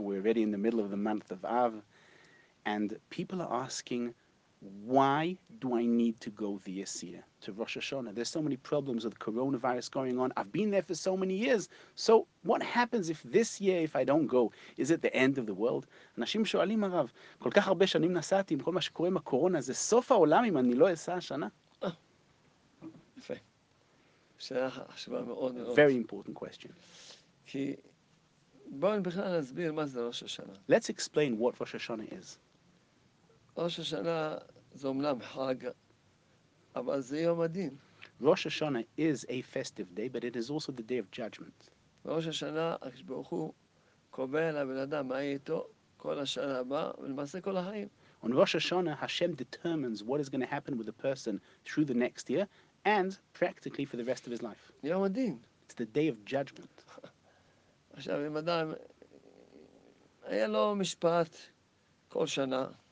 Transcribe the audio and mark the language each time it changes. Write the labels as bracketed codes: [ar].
[en] We're already in the middle of the month of Av. And people are asking, why do I need to go this year to Rosh Hashanah? There's so many problems with coronavirus going on. I've been there for so many years. So what happens if this year, if I don't go, is it the end of the world? [he] אנשים שואלים הרב, כל כך הרבה שנים נסעתי עם כל מה שקורה עם הקורונה, זה סוף העולם אם אני לא אסע השנה? יפה. שאלה חשובה מאוד. [en] Very important question. [he] כי בואו בכלל נסביר מה זה ראש השנה. [en] Let's explain what Rosh Hashanah is. [he] Rosh Hashanah זה אומנם חג, אבל זה יום הדין. [en] Rosh Hashanah is a festive day, but it is also the day of judgment. [he] Rosh Hashanah, כשברוך הוא קובע לבן אדם מה יהיה איתו כל השנה הבאה, ולמעשה כל החיים. [en] On Rosh Hashanah, Hashem determines what is going to happen with the person through the next year, and practically for the rest of his life. [he] יום הדין. [en] It's the day of judgment. [he] עכשיו, אם אדם, היה לו משפט כל שנה,